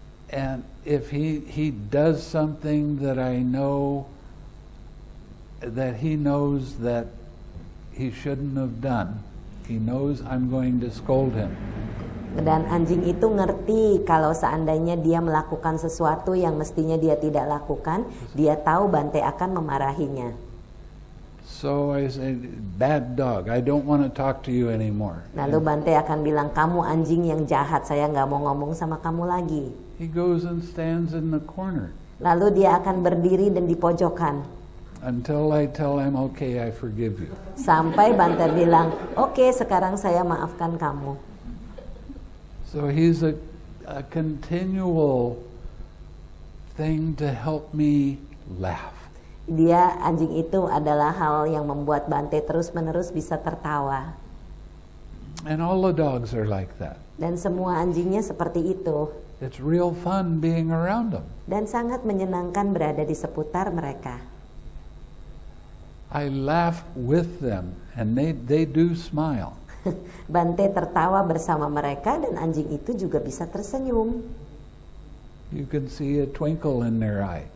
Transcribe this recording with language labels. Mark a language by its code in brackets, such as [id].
[en] And if he does something that I know that he knows that he shouldn't have done, he knows I'm going to scold him. [id] Dan anjing itu ngerti kalau seandainya dia melakukan sesuatu yang mestinya dia tidak lakukan, dia tahu Bante akan memarahinya. [en] So I said, "Bad dog, I don't want to talk to you anymore." [id] Lalu Bante akan bilang, "Kamu anjing yang jahat, saya enggak mau ngomong sama kamu lagi." [en] He goes and stands in the corner. [id] Lalu dia akan berdiri dan di pojokan. [en] Until I tell him, "Okay, I forgive you." [id] Sampai Bante bilang, "Okay, sekarang saya maafkan kamu." [en] So he's a continual thing to help me laugh. [id] Dia, anjing itu adalah hal yang membuat Bante terus-menerus bisa tertawa. [en] And all the dogs are like that. [id] Dan semua anjingnya seperti itu. [en] It's real fun being around them. [id] Dan sangat menyenangkan berada di seputar mereka. [en] I laugh with them and they do smile. [id] Bante tertawa bersama mereka dan anjing itu juga bisa tersenyum. [en] You can see a twinkle in their eye.